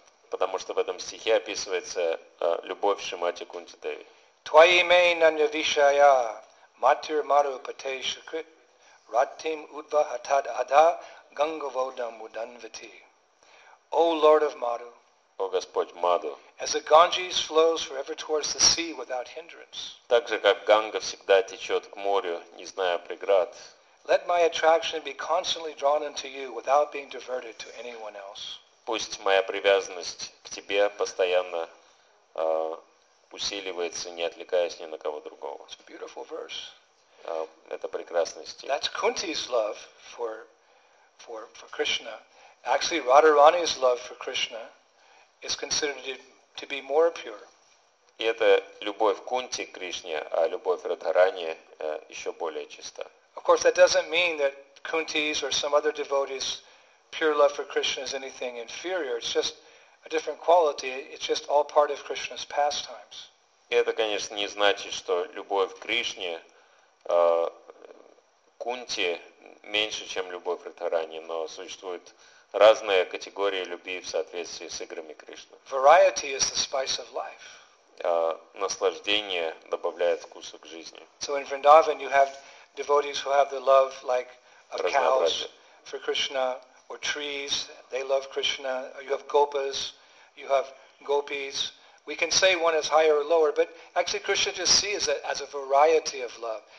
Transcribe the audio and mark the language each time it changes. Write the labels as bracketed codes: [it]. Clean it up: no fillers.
[ru] Потому что в этом стихе описывается любовь Шримати Кунти Деви. [sa] Твои имей нанявишая матир мару патешакрит раттим удва хатад ада гангаводам уданвити. [en] О Lord of Madhu, [ru] О Господь Маду, [en] as the Ganges flows forever towards the sea without hindrance, [ru] так же, как Ганга всегда течет к морю, не зная преград, [en] let my attraction be constantly drawn into you without being diverted to anyone else. [ru] Пусть моя привязанность к тебе постоянно усиливается, не отвлекаясь ни на кого другого. [en] It's a beautiful verse. [ru] Это прекрасный стих. [en] That's Kunti's love for Krishna. Actually, Radharani's love for Krishna is considered to be more pure. [ru] И это любовь Кунти к Кришне, а любовь Радхарани еще более чиста. [en] Of course, that doesn't mean that Kunti's or some other devotees pure love for Krishna is anything inferior. It's just a different quality. It's just all part of Krishna's pastimes. [ru] Это, конечно, не значит, что любовь к Кришне, Кунти, меньше, чем любовь к Радхарани, но существуют разные категории любви в соответствии с играми Кришны. [en] Variety is the spice of life. [ru] Наслаждение добавляет вкуса к жизни. [en] So in Vrindavan you have devotees who have the love like of cows for Krishna, or trees, they love Krishna, you have gopas, you have gopis. We can say one is higher or lower, but actually Krishna just sees it as a variety of love.